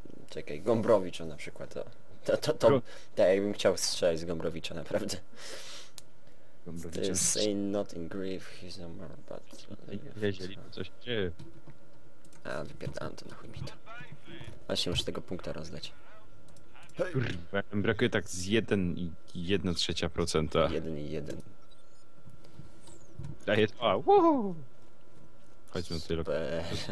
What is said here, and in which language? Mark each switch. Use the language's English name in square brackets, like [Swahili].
[Polish] Czekaj, Gombrowicz na przykład. To ja bym chciał strzelać z Gombrowicza, naprawdę. Gombrowicz. [English] Say not in grief, he's no more, but. [Polish] Wiedzieli, coś się dzieje. A, wypierdam to, na chuj mi to. Właśnie muszę tego punkta rozdać. Kurwa, brakuje tak z 1,3%. 1,1. Daję to, wuhuu! Chodźmy tutaj tyle.